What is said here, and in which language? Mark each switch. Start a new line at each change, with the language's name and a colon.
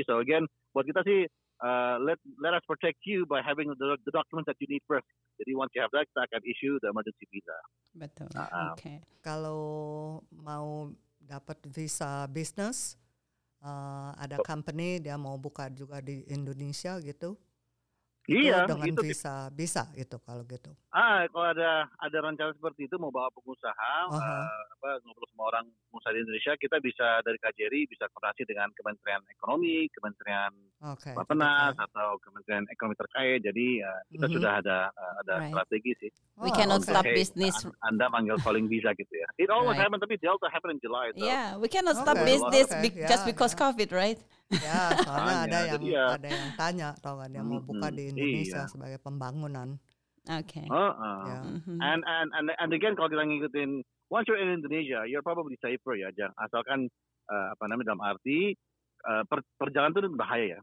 English: So again,
Indonesian: buat kita sih
English: let us protect you by having the documents that you need first. Jadi once you have that,
Indonesian: kita akan
English: issue the emergency visa.
Indonesian: Betul. Kalau mau dapat visa bisnis, ada company dia mau buka juga di Indonesia gitu. Iya. Itu dengan visa bisa gitu kalau gitu. Kalau ada rencana seperti itu mau bawa pengusaha, ngobrol sama orang pengusaha di Indonesia, kita bisa dari KJRI bisa koordinasi dengan Kementerian Ekonomi, Kementerian Bappenas atau Kementerian Ekonomi terkait. Jadi kita sudah ada strategi sih.
English: We cannot stop business.
Indonesian: Anda manggil
English: calling visa
Indonesian: gitu ya.
English: It always happened,
Indonesian: tapi
English: Delta happened in July. So. Yeah, we cannot stop business just because COVID, right?
Indonesian: Ya, karena ada yang tanya, tau kan, yang mau buka di Indonesia sebagai pembangunan.
English: And again,
Indonesian: kalau kita ngikutin,
English: once you're in Indonesia, you're probably safer
Indonesian: ya, jangan asalkan dalam arti perjalanan itu bahaya ya.